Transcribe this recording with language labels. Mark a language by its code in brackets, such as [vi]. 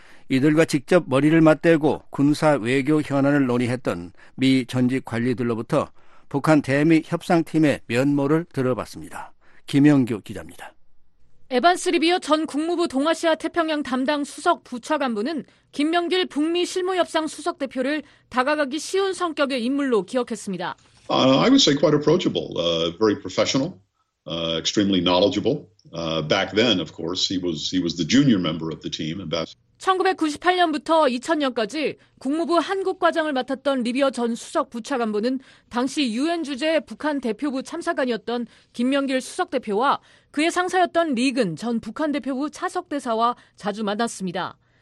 [ko] 이들과 직접 머리를 맞대고 군사 외교 현안을 논의했던 미 전직 관리들로부터 북한 대미 협상팀의 면모를 들어봤습니다. 김영규 기자입니다. 에반스 리비어 전 국무부 동아시아 태평양 담당 수석 부차관부는 김명길 북미 실무협상 수석 대표를 다가가기 쉬운 성격의 인물로 기억했습니다. [en] I would say quite approachable, very professional, extremely knowledgeable. Back then, of course, he was the junior member of the team. [ko] 1998년부터 2000년까지 국무부 한국과장을 맡았던 리비어 전 수석 부차관부는 당시 유엔 주재 북한 대표부 참사관이었던 김명길 수석 대표와 그의 상사였던 리근 전 북한 대표부 차석 대사와 자주 만났습니다.